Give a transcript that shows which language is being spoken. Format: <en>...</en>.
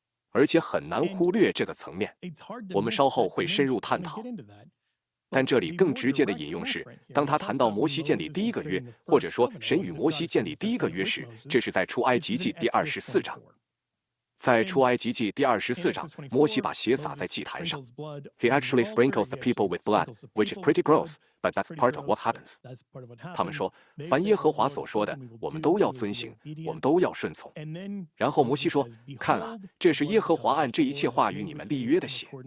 <zh>而且很难忽略这个层面，我们稍后会深入探讨。但这里更直接的引用是，当他谈到摩西建立第一个约，或者说神与摩西建立第一个约时，这是在出埃及记第二十四章。在出埃及记第二十四章，摩西把血洒在祭坛上。</zh> <en>He actually sprinkles the people with blood, which is pretty gross, but that's part of what happens.</en> <zh>他们说，凡耶和华所说的，我们都要遵行，我们都要顺从。然后摩西说，看啊，这是耶和华按这一切话与你们立约的血。</zh>